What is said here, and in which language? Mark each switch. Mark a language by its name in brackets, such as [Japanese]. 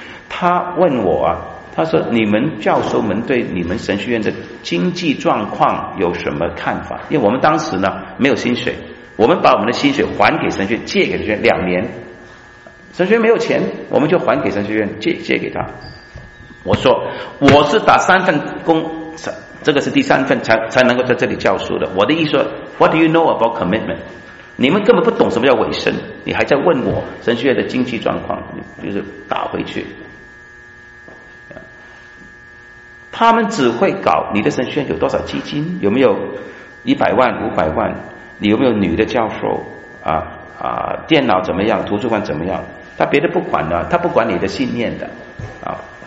[Chinese] 他问我啊，他说你们教授们对你们神学院的经济状况有什么看法？因为我们当时呢没有薪水，我们把我们的薪水还给神学院，借给神学院2年。神学院没有钱，我们就还给神学院借给他。我说我是打三份工，这个是第三份才能够在这里教书的。我的意思说 [English] What do you know about commitment？ [Chinese] 你们根本不懂什么叫委身，你还在问我神学院的经济状况，就是打回去。他们只会搞你的神学院有多少基金，有没有100万500万，你有没有女的教授啊，电脑怎么样，图书馆怎么样，他别的不管了，他不管你的信念的啊。